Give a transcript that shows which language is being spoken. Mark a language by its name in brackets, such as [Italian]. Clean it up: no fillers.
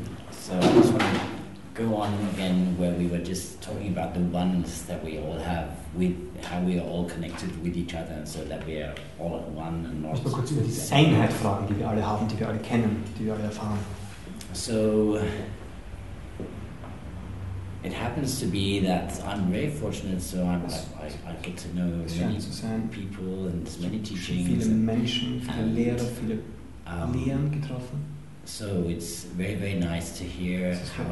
[English] So I just want to go on again where we were just talking about the ones that we all have with how we are all connected with each other and so that we are all at one and not. [German] Ich will kurz über die Einheit fragen, die wir alle haben, die wir alle kennen, die wir alle erfahren. [English] So it happens to be that I'm very fortunate, so I get to know many people and many teachings. [German] Viele Menschen, viele Lehrer, viele Lehren getroffen. [English] So it's very, very nice to hear how